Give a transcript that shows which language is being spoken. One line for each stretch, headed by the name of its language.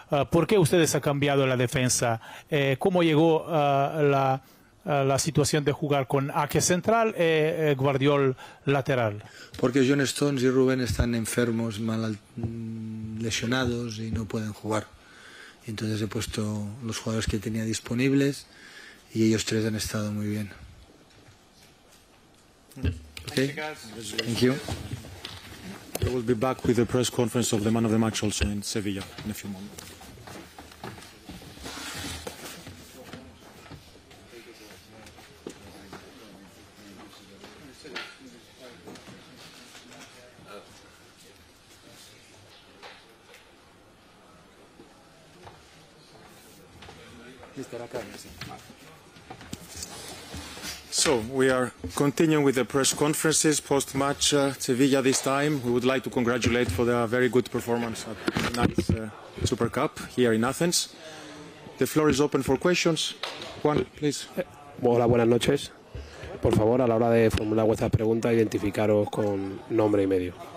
Spanish: ¿Por qué ustedes han cambiado la defensa? ¿Cómo llegó la situación de jugar con Ake central y Guardiol lateral? Porque John Stones y Rubén están enfermos, mal lesionados y no pueden jugar. Entonces he puesto los jugadores que tenía disponibles y ellos tres han estado muy bien.
English: Okay. Thank you. I will be back with the press conference of the man of the match also in Sevilla in a few moments. So we are continuing with the press conferences post-match Sevilla this time. We would like to congratulate for the very good performance at tonight's Super Cup here in Athens. The floor is open for questions. Juan, please.
Spanish: Hola, buenas noches. Por favor, a la hora de formular vuestras preguntas, identificaros con nombre y medio.